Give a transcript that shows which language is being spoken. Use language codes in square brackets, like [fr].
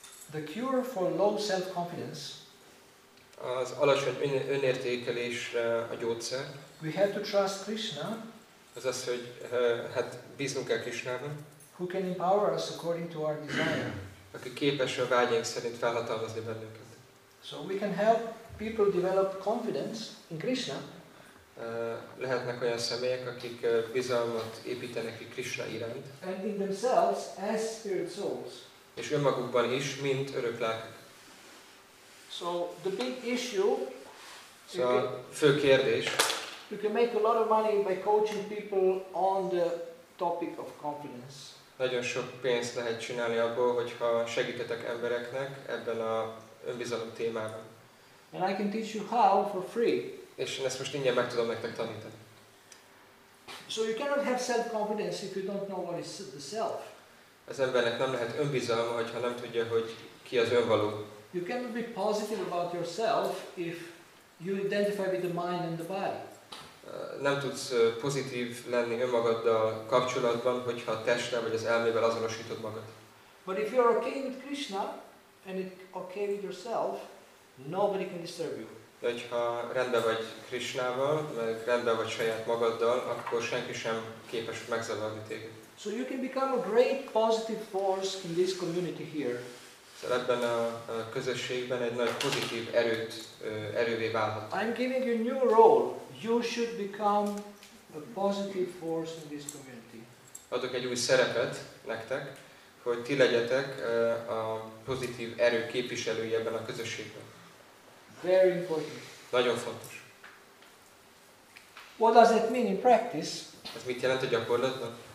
[en] The cure for low self-confidence. [hu] Az alacsony önértékelésre a gyógyszer. [en] We have to trust Krishna. [hu] Az az, hogy hát bízunk kell Krishnában. [en] Who can empower us according to our desire. [hu] Aki képes a vágyaink szerint felhatalmazni bennünket. [en] So we can help people develop confidence in Krishna. [hu] Lehetnek olyan személyek, akik bizalmat építenek ki Krishna iránt. [en] And in themselves as spirit souls. [hu] És önmagukban is, mint örök lelkek. [en] So the big issue. [hu] So fő kérdés. [en] You can make a lot of money by coaching people on the topic of confidence. [hu] Nagyon sok pénzt lehet csinálni abból, hogyha segítetek embereknek ebben a önbizalom témában. [en] And I can teach you how for free. [hu] És én ezt most ingyen meg tudom nektek tanítani. [en] So you cannot have self-confidence if you don't know what is the self. [hu] Az embernek nem lehet önbizalma, hogyha nem tudja, hogy ki az önvaló. [en] You cannot be positive about yourself if you identify with the mind and the body. [hu] Nem tudsz pozitív lenni önmagaddal kapcsolatban, hogyha a testtel vagy az elmével azonosítod magad. [en] But if you are okay with Krishna and okay with yourself, nobody can disturb you. [hu] De hogyha rendben vagy Krishnával, meg rendben vagy saját magaddal, akkor senki sem képes megzavarni téged. [en] So you can become a great positive force in this community here. [hu] Szóval ebben a közösségben egy nagy pozitív erőt erővé válhat. [en] I'm giving you a new role. You should become a positive force in this community. [hu] Adok egy új szerepet nektek, hogy ti legyetek a pozitív erő képviselője ebben a közösségben. [en] Very important. [hu] Nagyon fontos. [en] What does it mean in practice? [hu] Ez mit jelent a gyakorlatban?